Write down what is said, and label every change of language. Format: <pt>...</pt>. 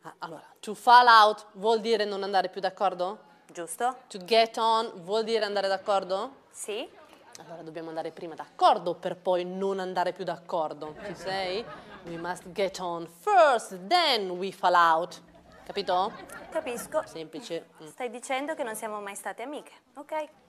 <it>Allora,</it> <en>to fall out</en> <it>vuol dire non andare più d'accordo? Giusto.</it> <en>To get on</en> <it>vuol dire andare d'accordo? Sì. Allora dobbiamo andare prima d'accordo per poi non andare più d'accordo, ci sei?</it> <en>We must get on first, then we fall out.</en> <it>Capito? Capisco. Semplice. Stai dicendo che non siamo mai state amiche, ok?</it>